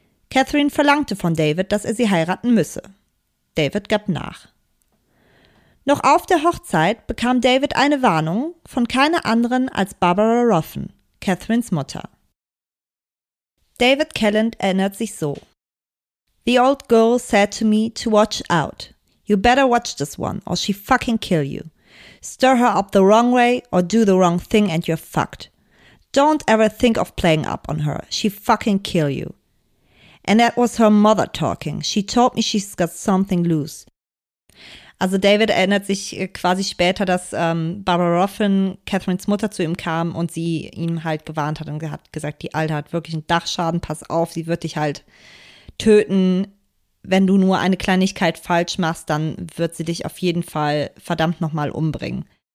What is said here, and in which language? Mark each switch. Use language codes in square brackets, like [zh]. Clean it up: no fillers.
[de] Catherine verlangte von David, dass er sie heiraten müsse. David gab nach. Noch auf der Hochzeit bekam David eine Warnung von keiner anderen als Barbara Ruffin, Catherines Mutter. David Kelland erinnert sich so. [en] The old girl said to me to watch out. You better watch this one or she fucking kill you. Stir her up the wrong way or do the wrong thing and you're fucked. Don't ever think of playing up on her. She fucking kill you. And that was her mother talking. She told me she's got something loose. [de] Also David erinnert sich quasi später, dass Barbara Ruffin, Catherines Mutter, zu ihm kam und sie ihm halt gewarnt hat und hat gesagt, die Alte hat wirklich einen Dachschaden, pass auf, sie wird dich halt töten. Wenn du nur eine Kleinigkeit falsch machst, dann wird sie dich auf jeden Fall verdammt nochmal umbringen.